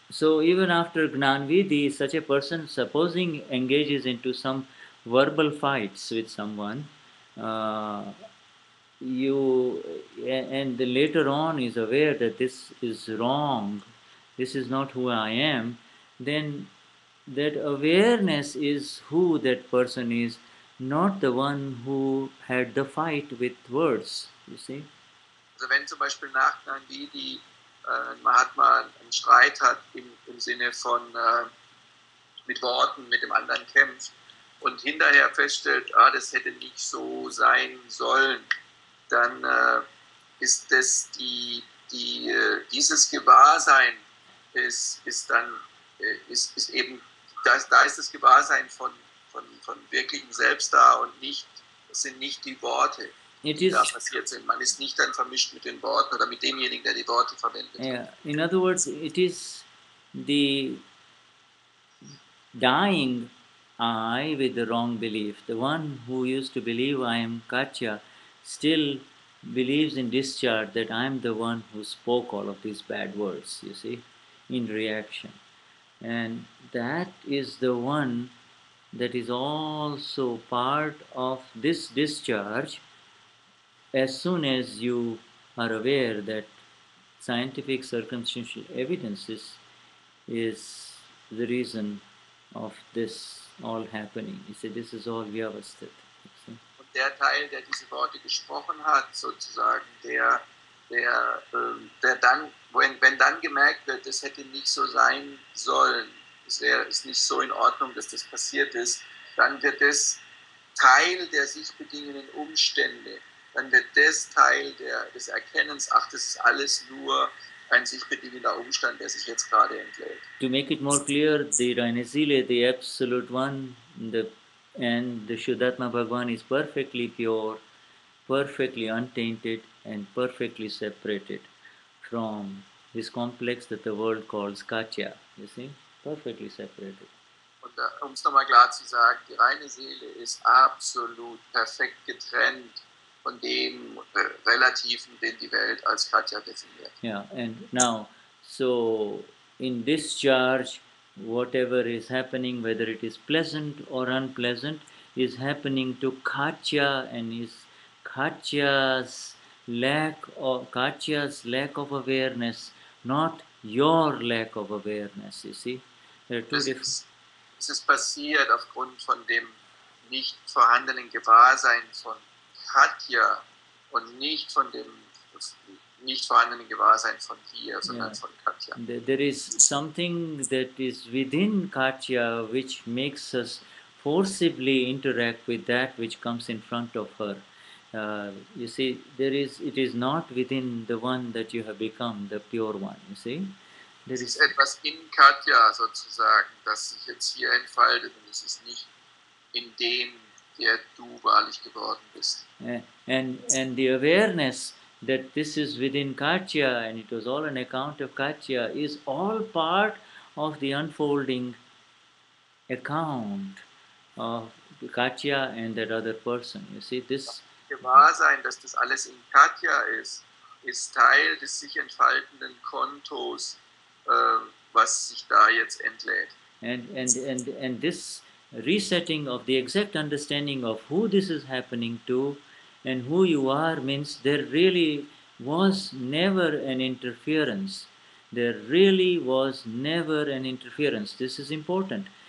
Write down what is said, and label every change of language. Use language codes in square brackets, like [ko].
[en] So even after Gnanvidhi, such a person supposing engages into some verbal fights with someone, and then later on is aware that this is wrong, this is not who I am, then that awareness is who that person is, not the one who had the fight with words, you see. [de] Also wenn zum Beispiel nach Gnanvidhi Mahatma einen Streit hat im Sinne von mit Worten mit dem anderen kämpft, und hinterher feststellt, das hätte nicht so sein sollen, dann ist das dieses Gewahrsein ist das Gewahrsein von wirklichem Selbst da, und nicht, es sind nicht die Worte, die da passiert sind. Man ist nicht dann vermischt mit den Worten oder mit demjenigen, der die Worte verwendet. [en] Yeah. In other words, it is the dying I with the wrong belief. The one who used to believe I am Katya still believes in discharge that I am the one who spoke all of these bad words, you see, in reaction. And that is the one that is also part of this discharge. As soon as you are aware that scientific circumstantial evidence is the reason of this all happening. You see, this is all Vyavasthit. [de] Und der Teil, der diese Worte gesprochen hat, sozusagen, der dann, wenn dann gemerkt wird, das hätte nicht so sein sollen, ist nicht so in Ordnung, dass das passiert ist, dann wird das Teil der sich bedingenden Umstände, dann wird das Teil des Erkennens, das ist alles nur ein sich bedingender Umstand, der sich jetzt gerade entlädt. [en] To make it more clear, the [de] reine Seele, [en] the absolute one, and the Shuddhatma Bhagwan is perfectly pure, perfectly untainted, and perfectly separated from this complex that the world calls Katya. You see? Perfectly separated. [de] Und um es nochmal klar zu sagen, die reine Seele ist absolut perfekt getrennt von dem Relativen, den die Welt als Katya definiert. [en] Yeah, and now, so in discharge, whatever is happening, whether it is pleasant or unpleasant, is happening to Katya, and is Katya's lack of Katya's lack of awareness, not your lack of awareness. You see, there are two different. [de] Es ist passiert aufgrund von dem nicht vorhandenen Gewahrsein von Katya und nicht von dem nicht vorhandenen Gewahrsein von dir, sondern von Katya. [en] There is something that is within Katya which makes us forcibly interact with that which comes in front of her. You see, it is not within the one that you have become, the pure one, you see. There is [de] etwas in Katya sozusagen, das sich jetzt hier entfaltet, und es ist nicht in dem, der du wahrlich geworden bist. [en] And the awareness that this is within Katya and it was all an account of Katya is all part of the unfolding account of Katya and that other person. You see, this [de] Gewahrsein, dass das alles in Katya ist Teil des sich entfaltenden Kontos, was sich da jetzt entlädt. [en] And this resetting of the exact understanding of who this is happening to and who you are means there really was never an interference. There really was never an interference. This is important.